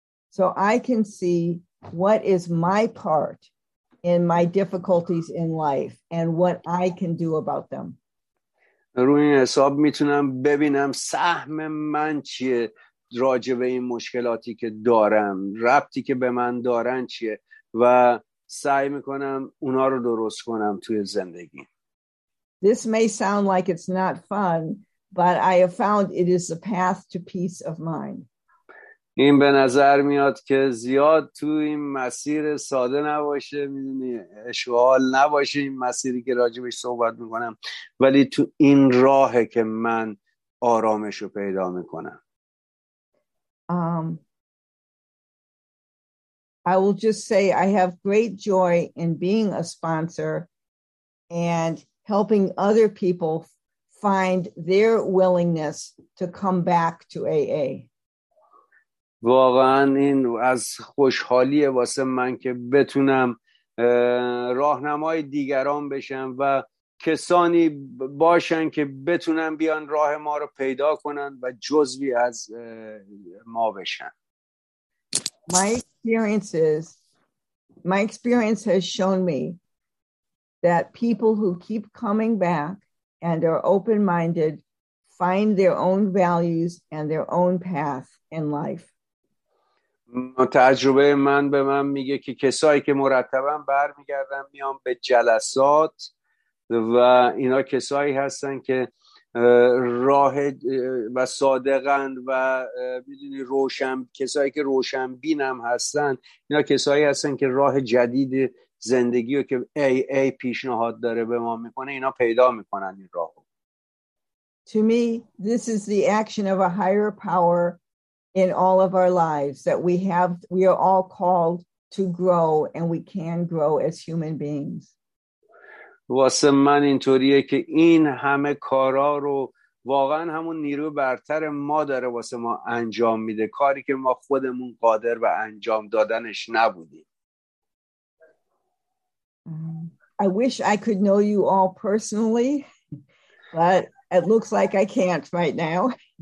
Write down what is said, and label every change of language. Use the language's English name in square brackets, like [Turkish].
[English] So I can see what is my part in my difficulties in life and what I can do about them. [Persian] روی این حساب میتونم ببینم سهم من چیه راجع به این مشکلاتی که دارم، ربطی که به من دارن چیه و سعی میکنم اونا رو درست کنم توی زندگی. [English] This may sound like it's not fun, but I have found it is the path to peace of mind. [Persian] این به نظر میاد که زیاد تو این مسیر ساده نباشه، میدونی اشغال نباشه این مسیری که راجبش صحبت میکنم، ولی تو این راهه که من آرامش رو پیدا میکنم. [English] I will just say I have great joy in being a sponsor and helping other people find their willingness to come back to AA. [Persian] واقعا این از خوشحالیه واسه من که بتونم راهنمای دیگران بشم و کسانی باشن که بتونن بیان راه ما رو پیدا کنن و جزوی از ما بشن. [English] My experience has shown me that people who keep coming back and are open-minded find their own values and their own path in life. [Persian] تجربه من به من میگه که کسایی که مرتبا برمیگردن میان به جلسات و اینا کسایی هستن که راه و صادقند و میدونی روشن، کسایی که روشن بینم هستن، اینا کسایی هستن که راه جدید زندگی رو که ای پیشنهاد داره به ما میکنه اینا پیدا میکنن این راه رو. [English] To me, this is the action of a higher power in all of our lives, that we are all called to grow, and we can grow as human beings. [Persian] واسه من اینطوریه که این همه کارا رو واقعا همون نیرو برتر ما داره واسه ما انجام میده، کاری که ما خودمون قادر به انجام دادنش نبودیم. [English] I wish I could know you all personally, but it looks like I can't right now.